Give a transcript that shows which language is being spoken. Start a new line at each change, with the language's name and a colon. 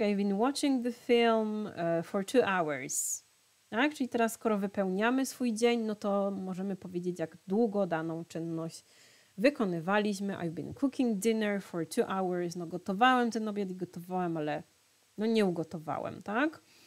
English: I've been watching the film for 2 hours.
Polish: Tak? Czyli teraz skoro wypełniamy swój dzień, no to możemy powiedzieć, jak długo daną czynność wykonywaliśmy.
English: I've been cooking dinner for 2 hours.
Polish: No gotowałem ten obiad i gotowałem, ale no nie ugotowałem, tak?